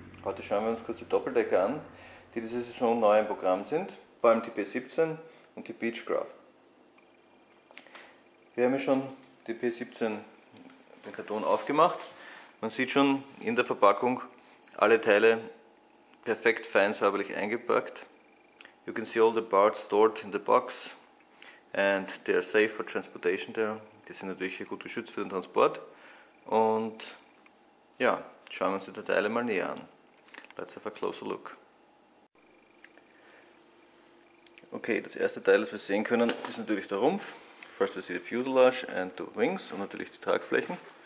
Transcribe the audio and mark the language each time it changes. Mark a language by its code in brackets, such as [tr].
[de] Heute schauen wir uns kurz die Doppeldecker an, die diese Saison neu im Programm sind, vor allem die P17 und die Beechcraft. Wir haben ja schon die P17 den Karton aufgemacht. Man sieht schon in der Verpackung alle Teile perfekt fein säuberlich eingepackt. [en] You can see all the parts stored in the box and they are safe for transportation there. [de] Die sind natürlich gut geschützt für den Transport. Und ja, schauen wir uns die Teile mal näher an. [en] Let's have a closer look. [de] Okay, das erste Teil, das wir sehen können, ist natürlich der Rumpf. [en] First we see the fuselage and the wings [de] und natürlich die Tragflächen.